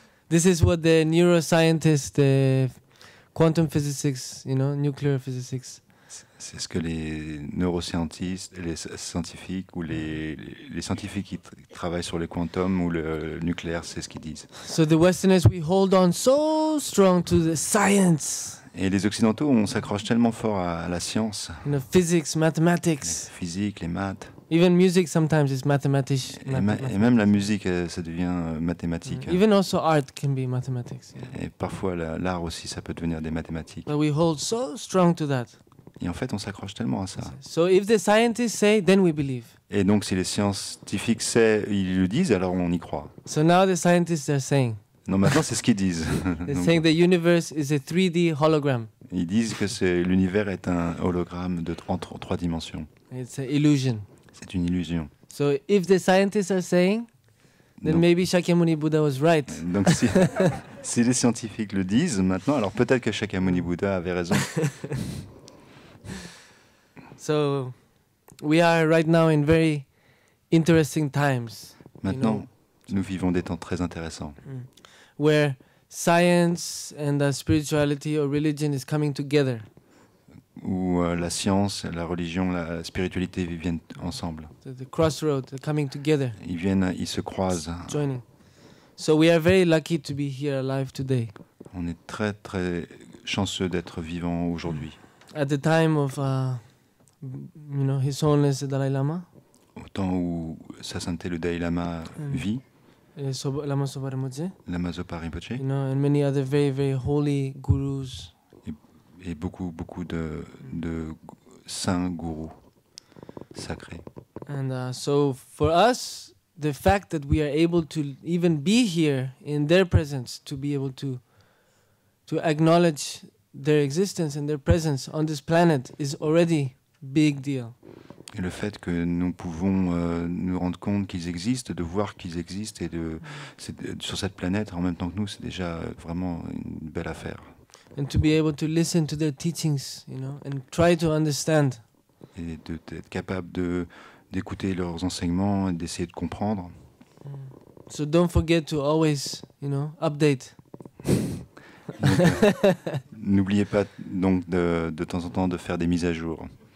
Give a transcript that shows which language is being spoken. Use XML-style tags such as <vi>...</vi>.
<en>This is what the neuroscientists, the quantum physics, you know, nuclear physics.</en> <fr>C'est ce que les neuroscientistes, les scientifiques ou les scientifiques qui travaillent sur les quantum ou le nucléaire, c'est ce qu'ils disent.</fr> <en>So the Westerners, we hold on so strong to the science.</en> <fr>Et les occidentaux, on s'accroche tellement fort à la science.</fr> <en>You know, physics, mathematics.</en> <fr>Les physiques, les maths.</fr> <en>Even music sometimes is mathematics.</en> <fr>Et même la musique, ça devient mathématique.</fr> <en>Mm. Even also art can be mathematics.</en> <fr>Et parfois l'art aussi, ça peut devenir des mathématiques.</fr> <en>But we hold so strong to that.</en> <fr>Et en fait, on s'accroche tellement à ça.</fr> <en>So if the scientists say, then we believe.</en> <fr>Et donc si les scientifiques savent, ils le disent, alors on y croit.</fr> <en>So now the scientists are saying.</en> <fr>Non, maintenant c'est ce qu'ils disent.</fr> <en>They're saying the universe is a 3D hologram.</en> <fr>Ils disent que l'univers est un hologramme de trois dimensions.</fr> <en>It's an illusion.</en> <fr>C'est une illusion.</fr> <en>So if the scientists are saying, then donc, maybe Shakyamuni Buddha was right.</en> <fr>Donc si les scientifiques le disent maintenant, alors peut-être que Shakyamuni Buddha avait raison.</fr> <en>So we are right now in very interesting times.</en> <fr>Maintenant,</fr> <en>you know?</en> <fr>Nous vivons des temps très intéressants. Mm.</fr> <en>Where science and spirituality or religion is coming together.</en> <fr>Où la science, la religion, la spiritualité viennent ensemble.</fr> <en>The crossroads are coming together.</en> <fr>Ils se croisent.</fr> <en>Joining. So we are very lucky to be here alive today.</en> <fr>On est très très chanceux d'être vivant aujourd'hui.</fr> <en>At the time of His Holiness the Dalai Lama.</en> <fr>Au temps où Sa Sainteté le Dalai Lama vit.</fr> <en>Lama Sopa Rinpoche. You know, and many other very very holy gurus.</en> <fr>Et beaucoup, beaucoup de saints gourous sacrés.</fr> <en>And so for us, the fact that we are able to even be here in their presence, to be able to acknowledge their existence and their presence on this planet is already a big deal.</en> <fr>Et le fait que nous pouvons nous rendre compte qu'ils existent, de voir qu'ils existent et sur cette planète en même temps que nous, c'est déjà vraiment une belle affaire.</fr> <en>And to be able to listen to their teachings, you know, and try to understand.</en> <fr>Et d'être capable d'écouter leurs enseignements et d'essayer de comprendre. Mm.</fr> <en>So don't forget to always, you know, update.</en> <fr>N'oubliez pas donc de temps en temps de faire des mises à jour.</fr>